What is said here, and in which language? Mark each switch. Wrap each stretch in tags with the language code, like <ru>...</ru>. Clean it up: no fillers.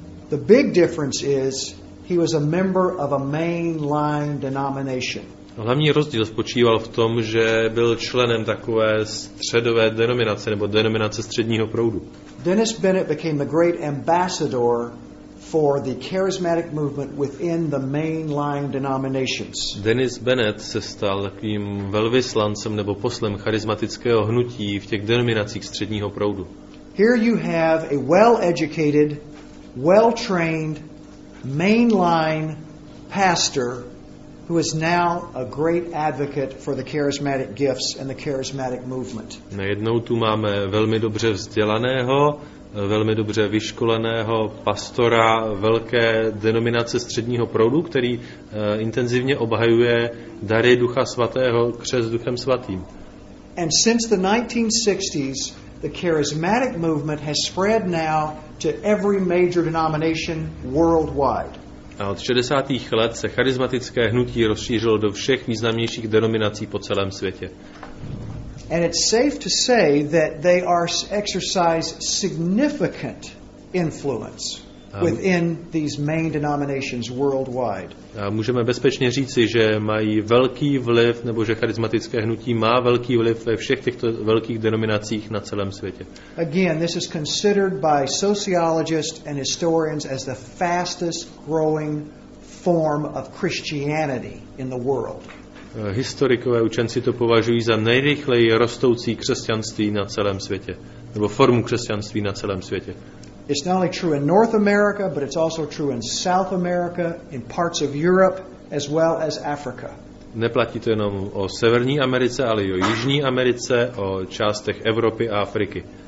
<en>The big difference is he was a member of a mainline denomination.</en> <cs>Hlavní rozdíl spočíval v tom, že byl členem takové středové denominace nebo denominace středního proudu.</cs> <en>Dennis Bennett became the great ambassador for the charismatic movement within the mainline denominations.</en> <cs>Dennis Bennett se stal takovým velvyslancem nebo poslem charismatického hnutí v těch denominacích středního proudu.</cs> <en>Here you have a well-educated, well-trained mainline pastor who is now a great advocate for the charismatic gifts and the charismatic movement.</en> <cs>Najednou tu máme velmi dobře vzdělaného, velmi dobře vyškoleného pastora velké denominace středního proudu, který intenzivně obhajuje dary Ducha Svatého křes Duchem Svatým.</cs> <en>And since the 1960s, the charismatic movement has spread now to every major denomination worldwide.</en> <cs>A od 60. let se charismatické hnutí rozšířilo do všech významnějších denominací po celém světě.</cs> <en>And it's safe to say that they are exercise significant influence within these main denominations worldwide.</en> <cs>A můžeme bezpečně říci, že mají velký vliv, nebo že charismatické hnutí má velký vliv ve všech těchto velkých denominacích na celém světě.</cs> <en>Again, this is considered by sociologists and historians as the fastest growing form of Christianity in the world.</en> <cs>Historikové učenci to považují za nejrychleji rostoucí křesťanství na celém světě, nebo formu křesťanství na celém světě.</cs> <en>It's not only true in North America, but it's also true in South America, in parts of Europe, as well as Africa.</en> <cs>Neplatí to jenom o Severní Americe, ale i o Jižní Americe, o částech Evropy a Afriky.</cs>